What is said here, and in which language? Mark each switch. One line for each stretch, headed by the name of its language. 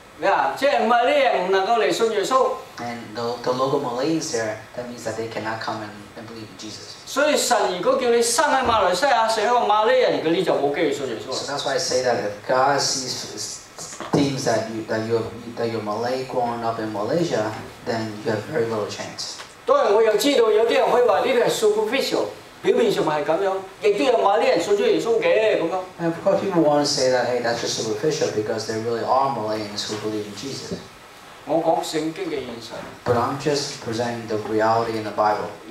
English: And the local Malays there, that means that they cannot come and believe in Jesus. So that's why I say that if God deems that you're Malay growing up in Malaysia, then you have very little chance.
Chinese: 对,我又知道有些人会说这个是superficial。表面上是這樣,也有馬來人信主耶穌的。
English: Of course, people want to say that, hey, that's just superficial because there really are Malayans who believe in Jesus.
Chinese: 我講聖經的現實。
English: But I'm just presenting the reality in the Bible.